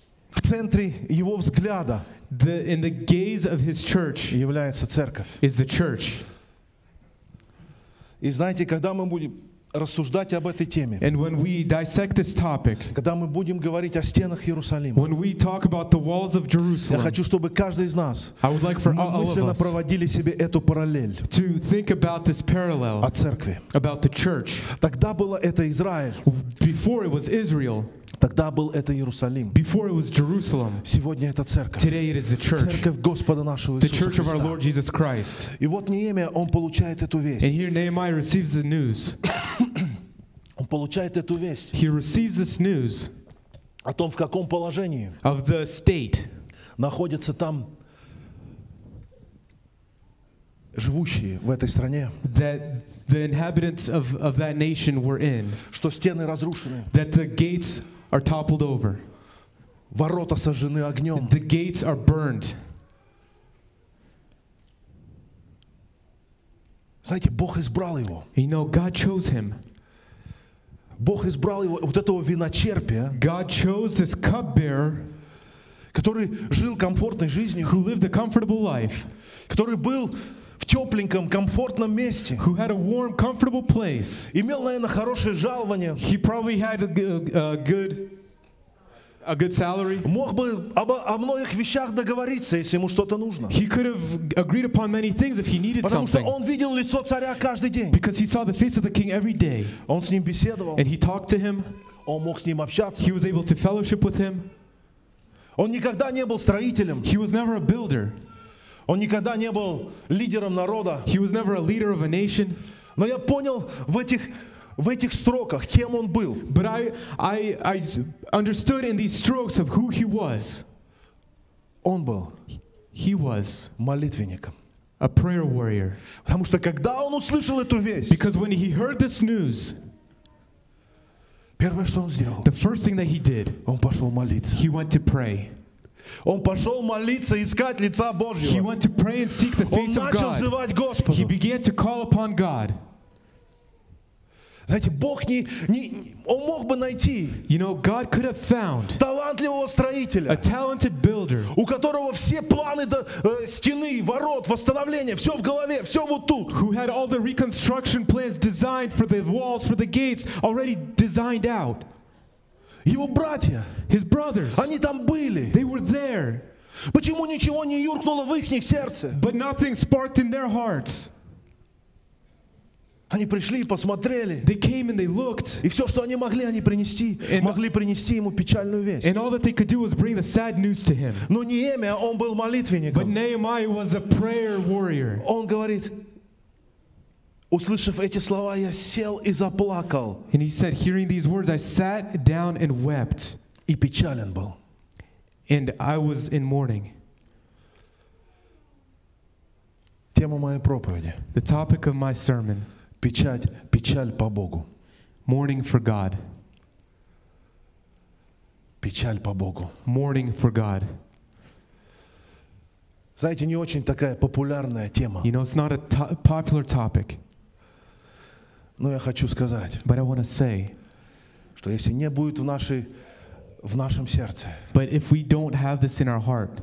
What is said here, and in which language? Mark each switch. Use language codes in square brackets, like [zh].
[ru] в центре его взгляда, [en] in the gaze of his church, [ru] является церковь, [en] is the church. [ru] И знаете, когда мы будем рассуждать об этой теме, [en] and when we dissect this topic, [ru] когда мы будем говорить о стенах Иерусалима, [en] when we talk about the walls of Jerusalem, [ru] я хочу, чтобы каждый из нас мысленно проводили себе эту параллель, [en] to think about this parallel, [ru] о церкви, [en] about the church. [ru] Тогда было это Израиль, [en] before it was Israel. [ru] Тогда был это Иерусалим. [en] Before it was Jerusalem. [ru] Сегодня это церковь. [en] Today it is the church. [ru] Церковь Господа нашего Иисуса [en] Христа. The church of our Lord Jesus Christ. [ru] И вот Неемия, он получает эту весть. [en] And here Nehemiah receives the news. [ru] Он получает эту весть. [en] He receives this news. [ru] О том, в каком положении [en] of the state [ru] находятся там живущие в этой стране, [en] that the inhabitants of that nation were in, [ru] что стены разрушены, [en] that the gates are toppled over, [ru] ворота сожжены огнем, [en] the gates are burned. [ru] Знаете, Бог избрал его. [en] You know, God chose him. [ru] Бог избрал его, вот этого виночерпия. [en] God chose this cupbearer, [ru] который жил комфортной жизнью, [en] who lived a comfortable life, [ru] который был в тепленьком, комфортном месте. [en] Who had a warm, comfortable place. [ru] Имел, наверное, хорошее жалование. [en] He probably had a good salary. [ru] Мог бы о многих вещах договориться, если ему что-то нужно. [en] He could have agreed upon many things if he needed [ru] Потому [en] something. [ru] Потому что он видел лицо царя каждый день. [en] Because he saw the face of the king every day. [ru] Он с ним беседовал. [en] And he talked to him. [ru] Он мог с ним общаться. [en] He was able to fellowship with him. [ru] Он никогда не был строителем. [en] He was never a builder. [ru] Он никогда не был лидером народа. [en] He was never a leader of a nation. [ru] Но я понял в этих строках, кем он был. [en] But I understood in these strokes of who he was. [ru] Он был [en] He was [ru] молитвенником. [en] A prayer warrior. [ru] Потому что когда он услышал эту весть, [en] because when he heard this news, [ru] первое, что он сделал, [en] the first thing that he did, [ru] он пошел молиться. [en] He went to pray. [ru] Он пошел молиться, искать лица Божьего. [en] He went to pray and seek the face of God. [ru] Он начал звать Господа. [en] He began to call upon God. [ru] Знаете, Бог не он мог бы найти. [en] You know, God could have found [ru] талантливого строителя, [en] a talented builder, [ru] у которого все планы до стены, ворот, восстановления, все в голове, все вот тут. [en] Who had all the reconstruction plans designed for the walls, for the gates, already designed out. [ru] Его братья, [en] his brothers, [ru] они там были. [en] They were there. [ru] Почему ничего не юркнуло в их сердце? [en] But nothing sparked in their hearts. [ru] Они пришли и посмотрели. [en] They came and they looked. [ru] И все, что они могли, они принести. And могли принести ему печальную весть. [en] And all that they could do was bring the sad news to him. [ru] Но Неемия, он был молитвенником. [en] But Nehemiah was a prayer warrior. [ru] Он говорит, услышав эти слова, я сел и заплакал. [en] And he said, hearing these words, I sat down and wept. [ru] И печален был. [en] And I was in mourning. [ru] Тема моей проповеди. [en] The topic of my sermon. [ru] Печаль по Богу. [en] Mourning for God. [ru] Печаль по Богу. [en] Mourning for God. [ru] Знаете, не очень такая популярная тема. [en] You know, it's not a popular topic. [ru] Но я хочу сказать, [en] but I want to say, [ru] что если не будет в нашем сердце, [en] but if we don't have this in our heart,